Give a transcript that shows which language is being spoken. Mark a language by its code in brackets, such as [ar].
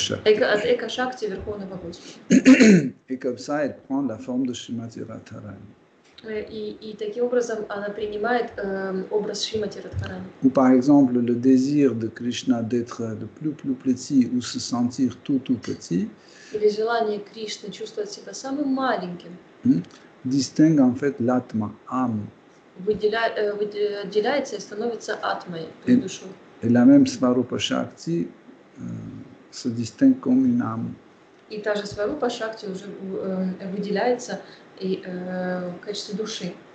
[fr] Et comme ça, elle prend la forme de Srimati Radharani. Ou par exemple, le désir de Krishna d'être le plus petit ou se sentir tout petit. [ru] Или желание Кришны чувствовать себя самым маленьким. [fr] Distingue en fait l'atma, âme. [ru] Выделяется и становится атмой, душой. [fr] Et la même Svarupa Shakti. Se distingue comme une âme. [ru] И та же Сварупа Шакти уже выделяется и в качестве души.